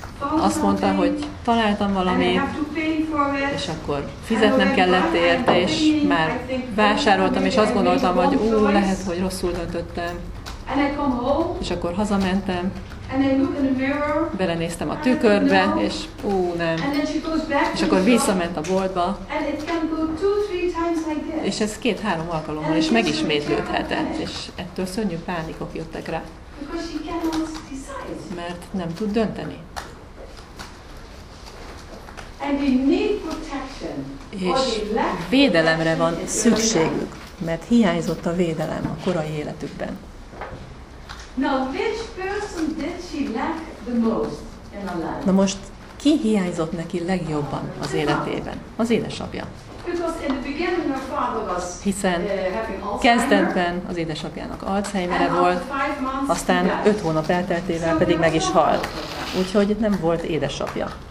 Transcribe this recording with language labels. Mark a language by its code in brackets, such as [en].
[hu] Azt mondta, hogy találtam valamit, és akkor fizetnem kellett érte, és már vásároltam, és azt gondoltam, hogy ú, lehet, hogy rosszul döntöttem. [en] And I come home, [hu] és akkor hazamentem, [en] and I look in the mirror, [hu] belenéztem a tükörbe, és ó, nem. [en] And then she goes back, [hu] és akkor visszament a boltba, [en] and it can go two, three times like this. [hu] És ez két-három alkalommal is megismétlődhetett, és ettől szörnyű pánikok jöttek rá. [en] Because she cannot decide. [hu] Mert nem tud dönteni. [en] And they need protection. [hu] És védelemre van szükségük, mert hiányzott a védelem a korai életükben. [en] Now, which person did she lack the most in her life? [hu] Na most ki hiányzott neki legjobban az életében? Az édesapja. [en] Because in the beginning her father was, [hu] hiszen kezdetben az édesapjának Alzheimer-e volt, aztán 5 hónap elteltével pedig meg is halt. Úgyhogy nem volt édesapja.